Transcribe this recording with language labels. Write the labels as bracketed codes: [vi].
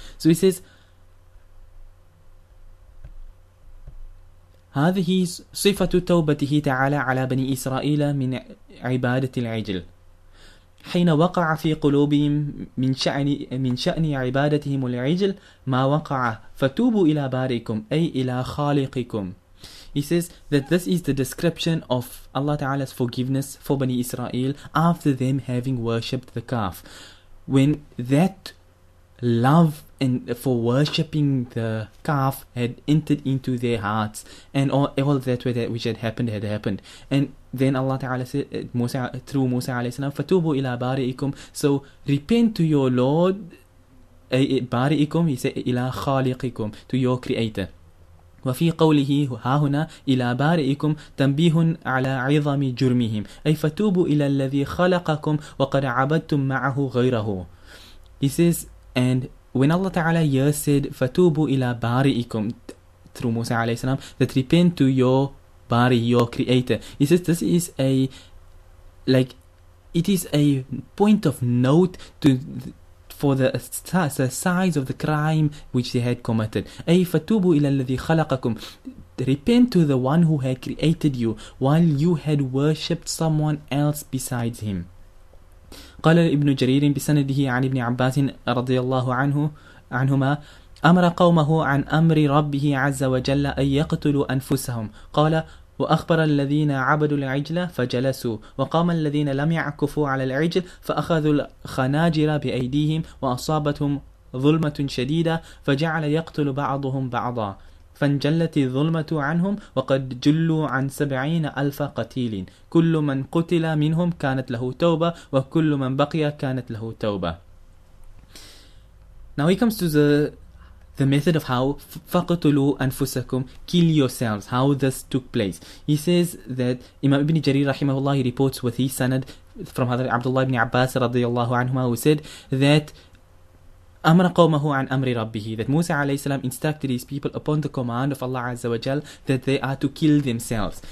[en] So he says, [ar] هذه صفة توبته تعالى على بني إسرائيل من عبادة العجل حين وقع في قلوبهم من شأن عبادتهم العجل ما وقع فتوبوا إلى بارئكم أي إلى خالقكم. [en] He says that this is the description of Allah Ta'ala's forgiveness for Bani Israel after them having worshipped the calf. When that love and for worshipping the calf had entered into their hearts, and all that which had happened had happened. And then Allah Ta'ala said, through Musa alayhi salam, [ar] فَتُوبُوا إِلَىٰ بَارِئِكُمْ, [en] so repent to your Lord, بَارِئِكُمْ, he said, [ar] إِلَىٰ خَالِقِكُمْ, [en] to your creator. [ar] وفي قوله ها هنا إلى بارئكم تنبيه على عظم جرمهم أي فتوبوا إلى الذي خلقكم وقد عبدتم معه غيره. [en] He says, and when Allah Ta'ala here said [ar] فتوبوا إلى بارئكم [en] through Musa عليه السلام, that repent to your bari, your creator. He says this is a, like, it is a point of note for the size of the crime which they had committed. [ar] أي فتوبوا إلى الذي خلقكم, [en] repent to the one who had created you while you had worshipped someone else besides him. [ar] قال ابن جرير بسنده عن ابن عباس رضي الله عنه عنهما أمر قومه عن أمر ربه عز وجل أن يقتلوا أنفسهم قال وأخبر الذين عبدوا العجل فجلسوا وقام الذين لم يعكفوا على العجل فأخذوا الخناجر بأيديهم وأصابتهم ظلمة شديدة فجعل يقتل بعضهم بعضا فانجلت الظلمة عنهم وقد جلوا عن 70,000 قتيل كل من قتل منهم كانت له توبة وكل من بقي كانت له توبة. [en] Now he comes to the method of how [ar] فقتلوا أنفسكم, [en] kill yourselves, how this took place. He says that Imam Ibn Jarir rahimahullah, he reports with his sanad from Hadhrat Abdullah ibn Abbas radiyallahu anhuma, who said that [ar] أمر قومه عن أمر ربه, [en] that Musa alayhi salam instructed his people upon the command of Allah Azza wa Jal that they are to kill themselves.